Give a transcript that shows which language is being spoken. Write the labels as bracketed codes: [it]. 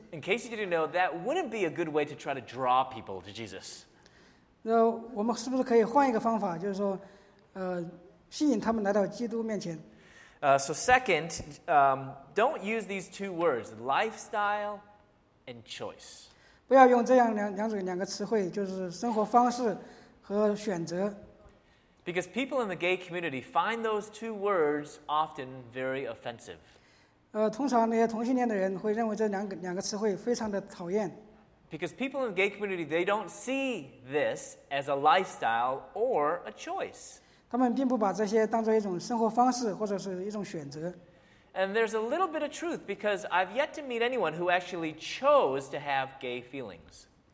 [en] In case you didn't know, that wouldn't be a good way to try to draw people to Jesus. [zh] 那我们是不是可以换一个方法，就是说，吸引他们来到基督面前？ [en] So second, don't use these two words, lifestyle and choice. [zh] 不要用这样两种两个词汇，就是生活方式和选择。 [en] Because people in the gay community find those two words often very offensive. [zh] 通常那些同性恋的人会认为这两个词汇非常的讨厌。 [en] Because people in the gay community, they don't see this as a lifestyle or a choice. [zh] 他们并不把这些当作一种生活方式或者是一种选择。 [en] And there's a little bit of truth because I've yet to meet anyone who actually chose to have gay feelings.